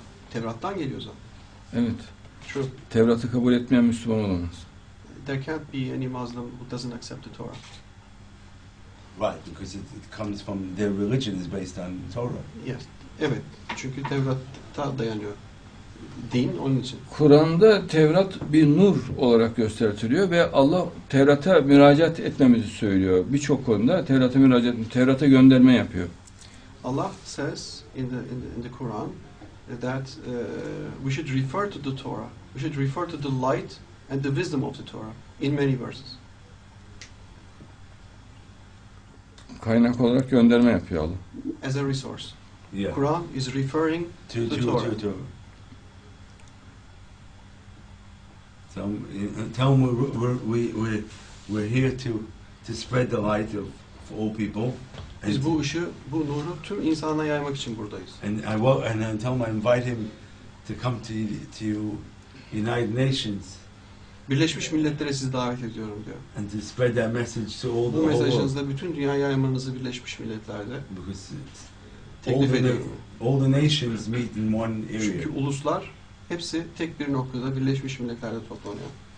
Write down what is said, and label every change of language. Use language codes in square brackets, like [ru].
[tr] Tevrat'tan geliyor zaten. Evet. [en] True. [tr] Tevrat'ı kabul etmeyen Müslüman olamaz. [en] There can't be any Muslim who doesn't accept the Torah. Right, because it comes from their religion is based on Torah. [tr] Yes. Evet. Çünkü Tevrat'ta dayanıyor. Din onun için. Kur'an'da Tevrat bir nur olarak gösteriliyor ve Allah Tevrat'a müracaat etmemizi söylüyor. Birçok konuda Tevrat'a müracaat, Tevrat'a gönderme yapıyor. [en] Allah says in the Quran that we should refer to the Torah. We should refer to the light and the wisdom of the Torah in many verses. [tr] Kaynak olarak gönderme yapıyor Allah. [en] As a resource. Yeah. Quran is referring to the Torah. To. Tell them we're here to spread the light of all people. [tr] Biz bu ışığı, bu nuru tüm insana yaymak için buradayız. [en] And I tell them I invite him to come to you, United Nations. [tr] Birleşmiş Milletler'e sizi davet ediyorum diyor. [en] And to spread that message to all the [tr] world. Bu mesajınızla bütün dünya yaymanızı Birleşmiş Milletler'de. [en] Because [tr] teklif [en] all the nations meet in one area. [tr] Çünkü uluslar hepsi tek bir noktada Birleşmiş Milletler'de toplanıyor.